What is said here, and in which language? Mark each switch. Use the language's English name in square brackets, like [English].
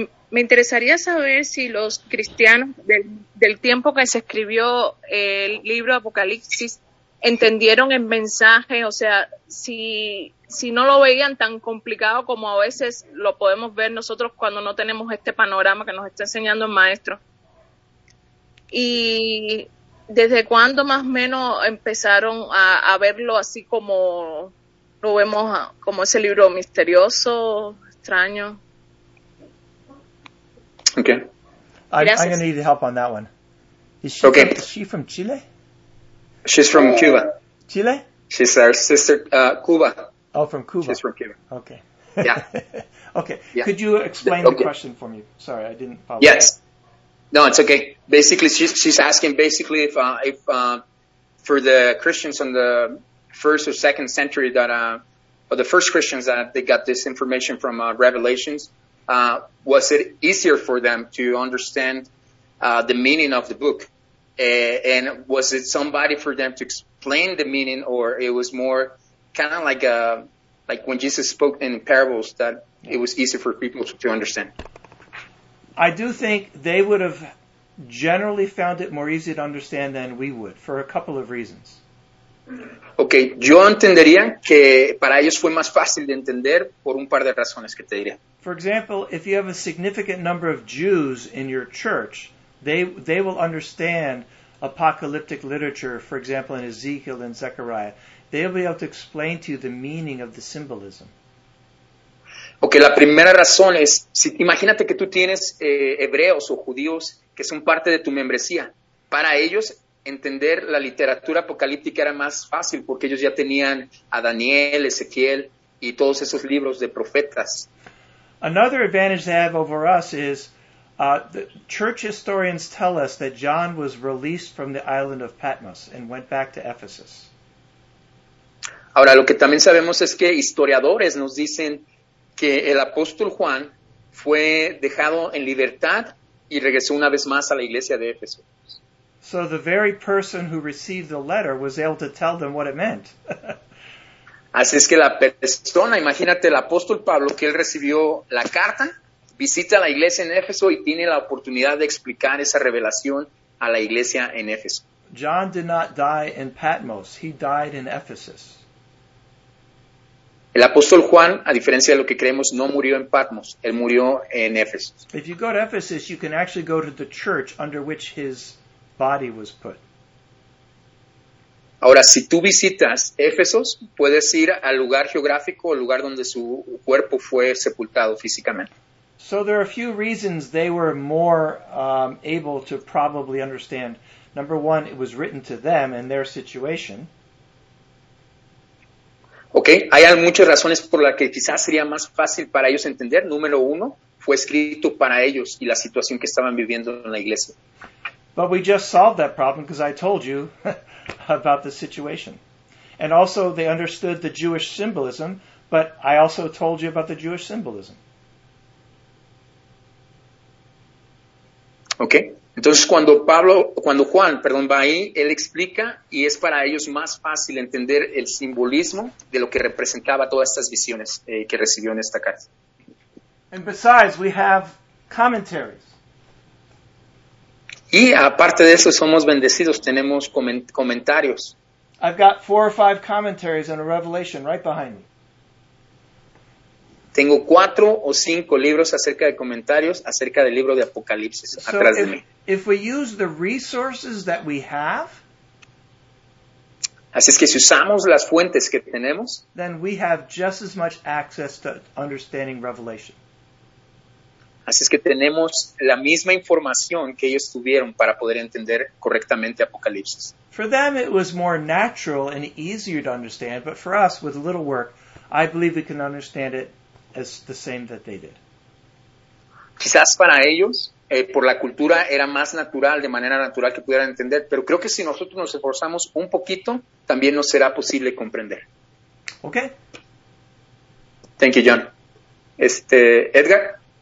[Spanish] Me interesaría saber si los cristianos del tiempo que se escribió el libro Apocalipsis entendieron el mensaje, o sea, si no lo veían tan complicado como a veces lo podemos ver nosotros cuando no tenemos este panorama que nos está enseñando el maestro. Y desde cuándo más o menos empezaron a verlo así como lo vemos como ese libro misterioso, extraño. [English] Okay. I'm going to need help on that one. Is she from Chile? She's from Cuba. Chile? She's our sister, Cuba. Oh, from Cuba. She's from Cuba. Okay. Yeah. Okay. Yeah. Could you explain the question for me? Sorry, I didn't follow. Yes. No, it's okay. Basically, she's asking basically if for the Christians on the first or second century or the first Christians that they got this information from Revelations, was it easier for them to understand the meaning of the book? And was it somebody for them to explain the meaning, or it was more kind of like a, like when Jesus spoke in parables, that it was easier for people to understand? I do think they would have generally found it more easy to understand than we would, for a couple of reasons. [Spanish] Okay, yo entendería que para ellos fue más fácil de entender por un par de razones que te diría. [English] For example, if you have a significant number of Jews in your church, they will understand apocalyptic literature, for example, in Ezekiel and Zechariah. They'll be able to explain to you the meaning of the symbolism. [Spanish] Okay, la primera razón es, si, imagínate que tú tienes hebreos o judíos que son parte de tu membresía. Para ellos, entender la literatura apocalíptica era más fácil porque ellos ya tenían a Daniel, Ezequiel y todos esos libros de profetas. [English] Another advantage they have over us is the church historians tell us that John was released from the island of Patmos and went back to Ephesus. [Spanish] Ahora, lo que también sabemos es que historiadores nos dicen que el apóstol Juan fue dejado en libertad y regresó una vez más a la iglesia de Éfeso. [English] So the very person who received the letter was able to tell them what it meant. [Spanish] Así es que la persona, imagínate, el apóstol Pablo, que él recibió la carta, visita la iglesia en Éfeso y tiene la oportunidad de explicar esa revelación a la iglesia en Éfeso. [English] John did not die in Patmos. He died in Ephesus. [Spanish] El apóstol Juan, a diferencia de lo que creemos, no murió en Patmos. Él murió en Éfeso. [English] If you go to Ephesus, you can actually go to the church under which his body was put. [Spanish] Ahora, si tú visitas Éfesos, puedes ir al lugar geográfico, el lugar donde su cuerpo fue sepultado físicamente. [English] So there are a few reasons they were more able to probably understand. Number one, it was written to them and their situation. [Spanish] Okay, hay muchas razones por las que quizás sería más fácil para ellos entender. Número uno, fue escrito para ellos y la situación que estaban viviendo en la iglesia. [English] But we just solved that problem because I told you about the situation. And also, they understood the Jewish symbolism, but I also told you about the Jewish symbolism. Okay. [Spanish] Entonces, cuando Juan va ahí, él explica y es para ellos más fácil entender el simbolismo de lo que representaba todas estas visiones que recibió en esta carta. [English] And besides, we have commentaries. [Spanish] Y aparte de eso, somos bendecidos, tenemos comentarios. [English] I've got 4 or 5 commentaries and a revelation right behind me. [Spanish] Tengo 4 o 5 libros acerca de comentarios, acerca del libro de Apocalipsis, [English] so [Spanish] atrás de mí. [English] If we use the resources that we have, [Spanish] así es que si usamos las fuentes que tenemos, [English] then we have just as much access to understanding Revelation. [Spanish] Así es que tenemos la misma información que ellos tuvieron para poder entender correctamente Apocalipsis. [English] For them it was more natural and easier to understand, but for us, with a little work, I believe we can understand it as the same that they did. [Spanish] Quizás para ellos, por la cultura, era más natural, de manera natural que pudieran entender, pero creo que si nosotros nos esforzamos un poquito, también nos será posible comprender. [English] Okay. Thank you, John. Edgar.